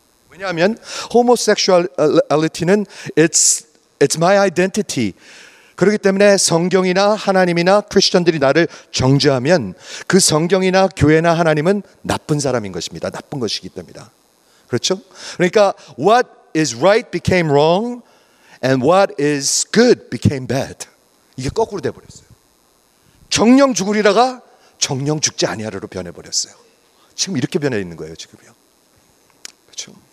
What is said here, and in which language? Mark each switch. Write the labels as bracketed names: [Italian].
[Korean] 왜냐하면 [English] homosexuality는 it's my identity. [Korean] 그렇기 때문에 성경이나 하나님이나 크리스천들이 나를 정죄하면 그 성경이나 교회나 하나님은 나쁜 사람인 것입니다. 나쁜 것이기 때문이다. 그렇죠? 그러니까 [English] what is right became wrong and what is good became bad. [Korean] 이게 거꾸로 돼버렸어요. 정녕 죽으리라가 정녕 죽지 아니하리로 변해버렸어요. 지금 이렇게 변해 있는 거예요. 지금요. 그렇죠?